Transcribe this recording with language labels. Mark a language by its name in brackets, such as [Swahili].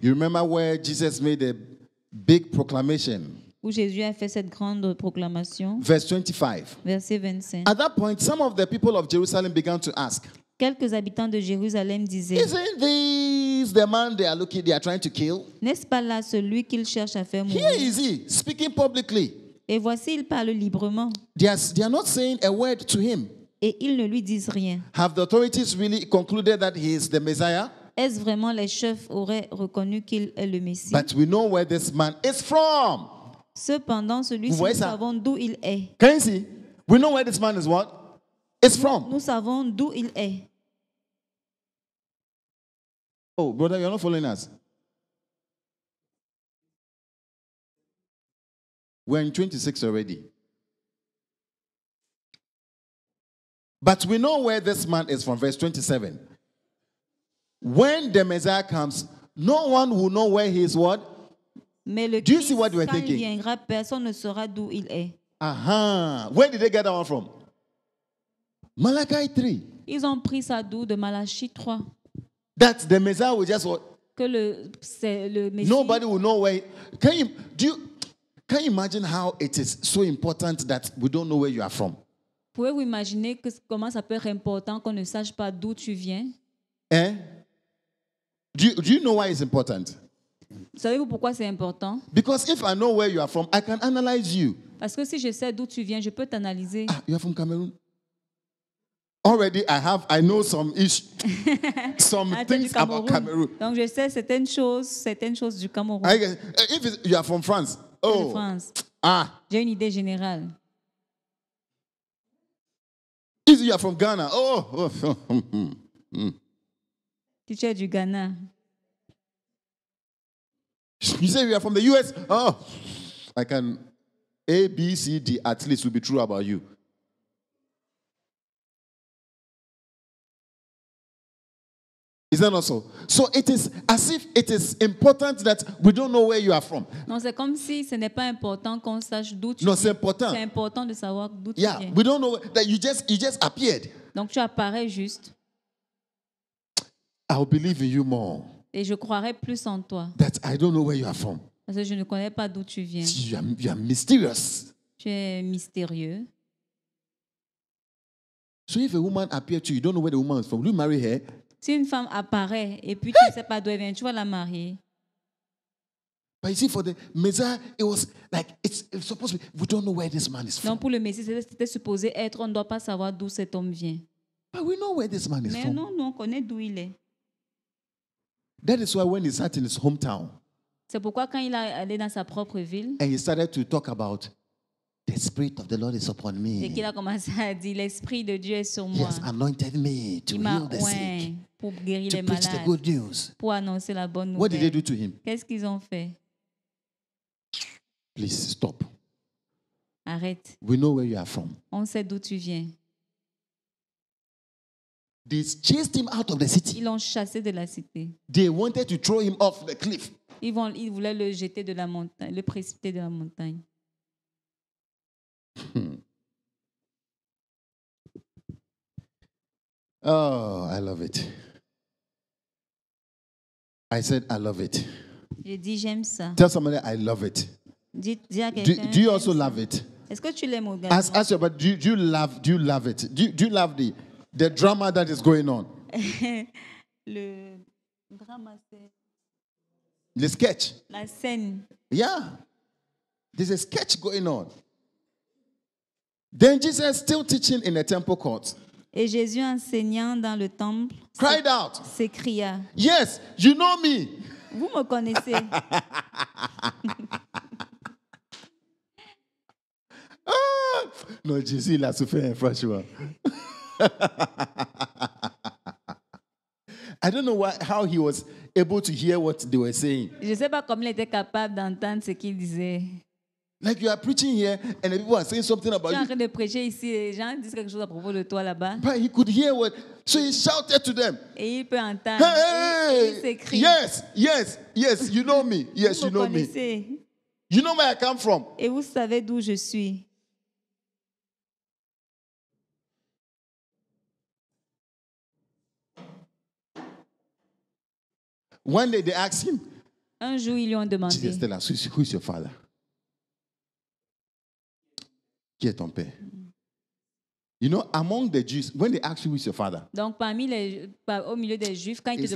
[English] You remember where Jesus made a big proclamation? [French] Où Jésus a fait cette grande proclamation? [English] Verse 25. [French] Verset 25. [English] At that point, some of the people of Jerusalem began to ask. [French] Quelques habitants de Jérusalem disaient. [English] Isn't this the man they are trying to kill? [French] N'est-ce pas là celui qu'ils cherchent à faire mourir? [English] Here is he speaking publicly. [French] Et voici, il parle librement. [English] They are not saying a word to him. [French] Et ils ne lui disent rien. [English] Have the authorities really concluded that he is the Messiah? [French] Est-ce vraiment les chefs auraient reconnu qu'il est le Messie? [English] But we know where this man is from. [French] Cependant, celui-ci, nous savons d'où il est. [English] Can you see? We know where this man is what? It's from. [French] Nous savons d'où il est. [English] Oh, brother, you're not following us. We're in 26 already. But we know where this man is from, verse 27. When the Messiah comes, no one will know where he is what? [French] Mais le [English] do you see what you are thinking? [French] Viendra, personne ne saura d'où il est. [English] Uh-huh. Where did they get that one from? Malachi 3. [French] Ils ont pris ça d'où de Malachi 3. [English] That the Messiah will just what? [French] Que le, c'est le Messie. [English] Nobody will know where. Can you imagine how it is so important that we don't know where you are from? [French] Pouvez-vous imaginer que, comment ça peut être important qu'on ne sache pas d'où tu viens? [English] Hein? Do you know why it's important? [French] Savez-vous pourquoi c'est important? [English] Because if I know where you are from, I can analyze you. [French] Parce que si je sais d'où tu viens, je peux t'analyser. [English] Ah, you are from Cameroon? Already, I know some some things about Cameroon. [French] Donc je sais certaines choses du Cameroun. [English] I guess, if you are from France, oh, France. Ah. [French] J'ai une idée générale. [English] You are from Ghana. Oh, [French] tu es du Ghana. [English] You say you are from the US. Oh, I can A, B, C, D at least will be true about you. Is that not so? So it is as if it is important that we don't know where you are from. [French] Non, c'est comme si ce n'est pas important qu'on sache d'où tu viens. Non, c'est important. C'est important de savoir d'où tu viens. [English] Yeah, we don't know that you just appeared. [French] Donc tu apparais juste. [English] I will believe in you more. [French] Et je croirai plus en toi. [English] That I don't know where you are from. [French] Parce que je ne connais pas d'où tu viens. [English] You are mysterious. [French] Tu es mystérieux. [English] So if a woman appears to you, you don't know where the woman is from. Will you marry her? [French] Si une femme apparaît et puis tu ne sais pas d'où elle vient, tu vas la marier. [English] But you see, for the Messiah, it was like it's supposed to be. We don't know where this man is from. [French] Non, pour le Messie, c'était supposé être. On ne doit pas savoir d'où cet homme vient. [English] But we know where this man is [French] Mais [English] from. [French] Mais non, nous on connaît d'où il est. [English] That is why when he sat in his hometown. [French] C'est pourquoi quand il est allé dans sa propre ville. [English] And he started to talk about. The Spirit of the Lord is upon me. [French] Et qu'il a commencé à dire, l'Esprit de Dieu est sur moi. [English] He has anointed me to heal the sick. [French] Pour guérir [English] to [French] les [English] preach [French] malades, [English] the good news. [French] Pour annoncer la bonne [English] what [French] nouvelle. [English] Did they do to him? [French] Qu'est-ce qu'ils ont fait? [English] Please stop. [French] Arrête. [English] We know where you are from. [French] On sait d'où tu viens. [English] They chased him out of the city. [French] Ils l'ont chassé de la cité. [English] They wanted to throw him off the cliff. [French] Ils voulaient le jeter de la montagne, le précipiter de la montagne. [English] Oh, I love it. I said, I love it. [French] Je dis, j'aime ça. [English] Tell somebody, I love it. Do you also love it? [French] Est-ce que tu l'aimes également? [English] Ask your, but do you love it? Do you love the drama that is going on? [French] Le drama, c'est... [English] The sketch. [French] La scène. [English] Yeah. There's a sketch going on. Then Jesus still teaching in the temple court. [French] Et Jésus enseignant dans le temple. [English] Cried out. [French] S'écria. [English] Yes, you know me. [French] Vous me connaissez. Ah! Non, Jésus l'a souffert, franchement. [English] I don't know how he was able to hear what they were saying. [French] Je sais pas comment il était capable d'entendre ce qu'ils disaient. [English] Like you are preaching here and the people are saying something about you. [French] Tu es en train de prêcher ici et les gens disent quelque chose à propos de toi là-bas. [English] But he could hear what, so he shouted to them. [French] Et il peut entendre. Hey! Et il s'écrit. [English] Yes, yes, yes, you know me. Yes, you know me. You know where I come from. [French] Et vous savez d'où je suis. [English] One day they asked him. [French] Un jour ils lui ont demandé. [English] Jesus, tell us, who is your father? [French] Qui est ton père? [English] You know, among the Jews, when they ask you who is your father, [French] donc parmi les, au milieu des Juifs, quand ils te